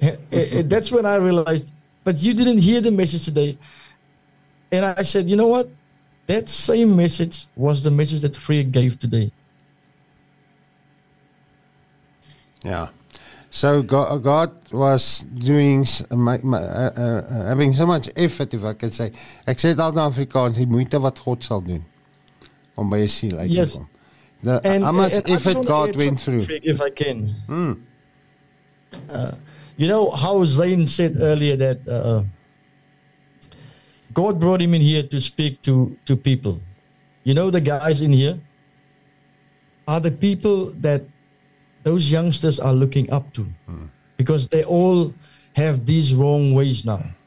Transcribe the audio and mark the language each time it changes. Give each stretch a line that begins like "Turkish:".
English: That's when I realized, but you didn't hear the message today. And I said, you know what? That same message was the message that Freya gave today. Yeah. So God was doing, having so much effort, if I can say.
Afrikaans: Ek sê dit in Afrikaans, die moeite wat God sal doen om by jou siel uit te kom.
English: How much effort God went through. If I can. You know how Zane said earlier that God brought him in here to speak to people. You know the guys in here are the people that those youngsters are looking up to because they all have these wrong ways now.